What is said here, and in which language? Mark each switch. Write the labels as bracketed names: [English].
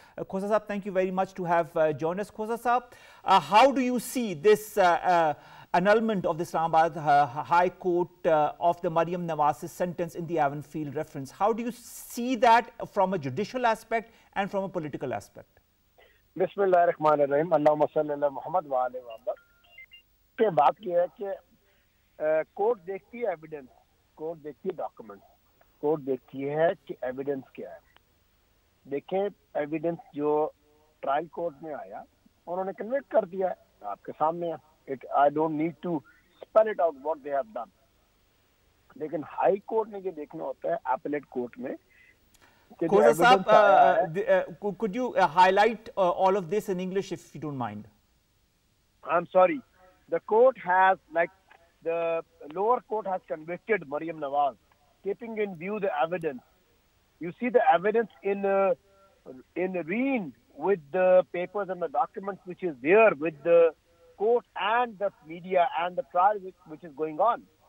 [English] Khosa Saab, thank you very much to have joined us. Khosa Saab, how do you see this annulment of the Islamabad High Court of the Maryam Nawaz's sentence in the Avonfield reference? How do you see that from a judicial aspect and from a political aspect? [Arabic] بسم اللہ الرحمن الرحیم [Urdu] اللہم صلی اللہ محمد و آلہ وآلہ کے بات یہ ہے کہ کورٹ دیکھتی ہے ایویڈنس کورٹ دیکھتی ہے ڈاکومنٹ کورٹ دیکھتی ہے کہ ایویڈنس کیا ہے دیکھیں ایویڈنس جو ٹرائل کورٹ میں آیا انہوں نے کنویٹ کر دیا ہے آپ کے سامنے [English] I don't need to spell it out what they have done [Urdu] لیکن ہائی کورٹ نے یہ دیکھنا ہوتا ہے اپیلیٹ کورٹ میں [English] Khosa Saab, could you highlight all of this in English, if you don't mind? I'm sorry. The court has, like, the lower court has convicted Maryam Nawaz, keeping in view the evidence. You see the evidence in reen with the papers and the documents which is there with the court and the media and the trial which is going on.